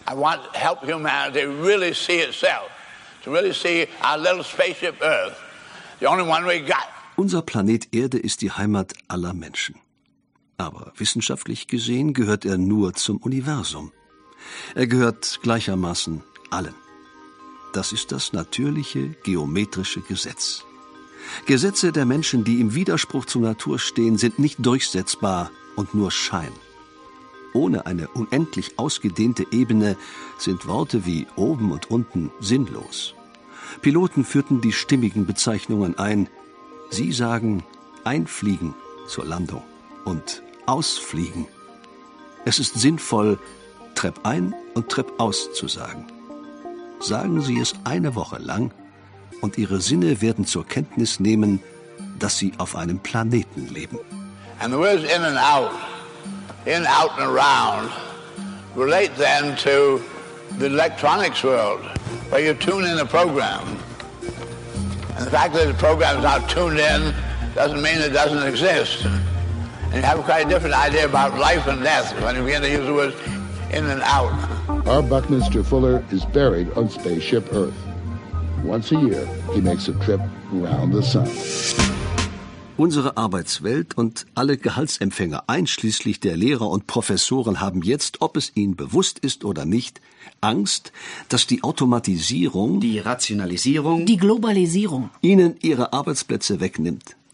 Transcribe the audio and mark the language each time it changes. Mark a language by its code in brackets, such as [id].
[en] I want to help humanity really see itself, to really see our little spaceship Earth, the only one we got. [de] Unser Planet Erde ist die Heimat aller Menschen. Aber wissenschaftlich gesehen gehört er nur zum Universum. Er gehört gleichermaßen allen. Das ist das natürliche, geometrische Gesetz. Gesetze der Menschen, die im Widerspruch zur Natur stehen, sind nicht durchsetzbar und nur Schein. Ohne eine unendlich ausgedehnte Ebene sind Worte wie oben und unten sinnlos. Piloten führten die stimmigen Bezeichnungen ein. Sie sagen einfliegen zur Landung und ausfliegen. Es ist sinnvoll, Trepp ein und Trepp aus zu sagen. Sagen Sie es eine Woche lang und Ihre Sinne werden zur Kenntnis nehmen, dass Sie auf einem Planeten leben. [en] And the words in and out. In, out and around, relate then to the electronics world, where you tune in a program. And the fact that the program is not tuned in doesn't mean it doesn't exist. And you have a quite different idea about life and death when you begin to use the words in and out. Our Buckminster Fuller is buried on spaceship Earth. Once a year, he makes a trip around the sun. [de] Unsere Arbeitswelt und alle Gehaltsempfänger, einschließlich der Lehrer und Professoren, haben jetzt, ob es ihnen bewusst ist oder nicht, Angst, dass die Automatisierung, die Rationalisierung, die Globalisierung ihnen ihre Arbeitsplätze wegnimmt.